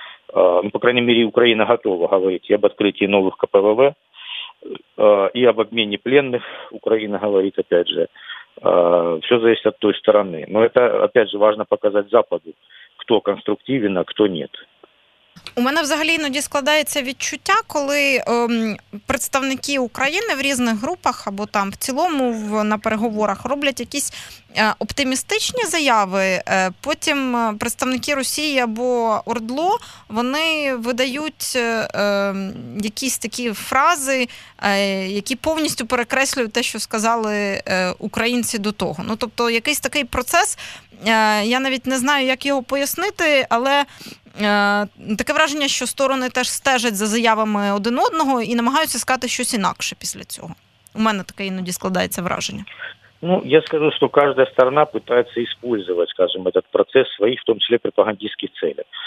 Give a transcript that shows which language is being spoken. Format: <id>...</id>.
<ru>По крайней мере, Украина готова говорить и об открытии новых КПВВ, и об обмене пленных. Украина говорит, опять же, все зависит от той стороны. Но это, опять же, важно показать Западу, кто конструктивен, а кто нет.</ru> <uk>У мене взагалі іноді складається відчуття, коли представники України в різних групах або там в цілому на переговорах роблять якісь оптимістичні заяви, потім представники Росії або ОРДЛО, вони видають якісь такі фрази, які повністю перекреслюють те, що сказали українці до того. Ну, тобто, якийсь такий процес, я навіть не знаю, як його пояснити, але таке враження, що сторони теж стежать за заявами один одного і намагаються сказати щось інакше після цього. У мене таке іноді складається враження.</uk> <ru>Ну, я скажу, что каждая сторона пытается использовать, скажем, этот процесс в своих, в том числе, пропагандистских целях.</ru>